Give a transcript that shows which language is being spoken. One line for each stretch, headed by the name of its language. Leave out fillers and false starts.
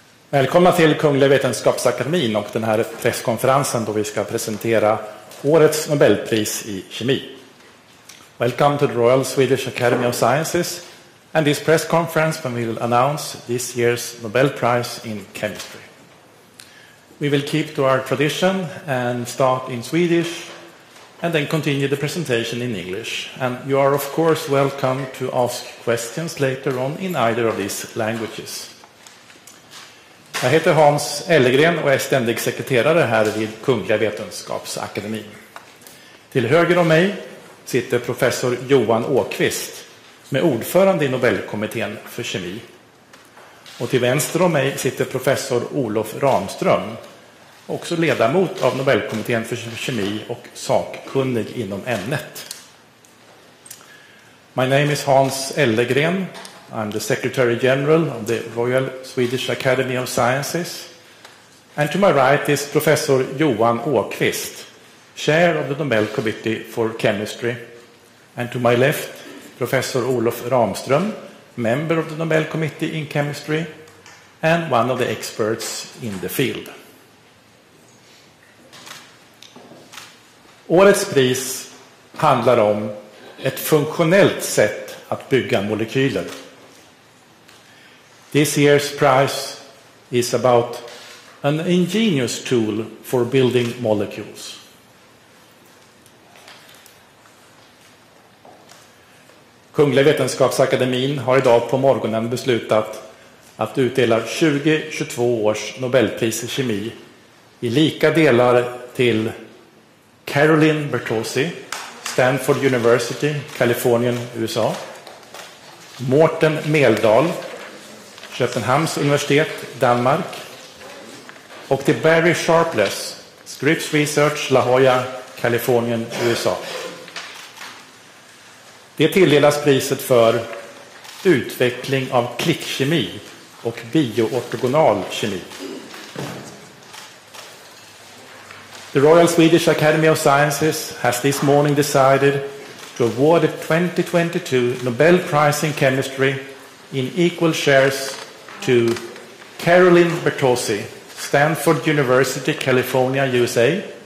Swedish: Välkomna till Kungliga Vetenskapsakademin och den här presskonferensen då vi ska presentera årets Nobelpris i kemi.
English: Welcome to the Royal Swedish Academy of Sciences and this press conference when we will announce this year's Nobel Prize in Chemistry. We will keep to our tradition and start in Swedish and then continue the presentation in English. And you are of course welcome to ask questions later on in either of these languages.
Swedish: Jag heter Hans Ellegren och är ständig sekreterare här vid Kungliga Vetenskapsakademin. Till höger om mig sitter professor Johan Åkvist med ordförande i Nobelkommittén för kemi. Och till vänster om mig sitter professor Olof Ramström, också ledamot av Nobelkommittén för kemi och sakkunnig inom ämnet.
English: My name is Hans Ellegren. I'm the Secretary General of the Royal Swedish Academy of Sciences. And to my right is Professor Johan Åkvist, Chair of the Nobel Committee for Chemistry. And to my left, Professor Olof Ramström, Member of the Nobel Committee in Chemistry and one of the experts in the field.
Swedish: Årets pris handlar om ett funktionellt sätt att bygga molekyler.
English: This year's prize is about an ingenious tool for building molecules.
Swedish: Kungliga Vetenskapsakademin har idag på morgonen beslutat att utdela 2022 års Nobelpris i kemi i lika delar till Caroline Bertozzi, Stanford University, Kalifornien, USA, Morten Meldahl, Köpenhamns universitet, Danmark, och till Barry Sharpless, Scripps Research, La Jolla, Kalifornien, USA. Det tilldelas priset för utveckling av klickkemi och bioortogonal kemi.
English: The Royal Swedish Academy of Sciences has this morning decided to award the 2022 Nobel Prize in Chemistry in equal shares to Caroline Bertozzi, Stanford University, California, USA,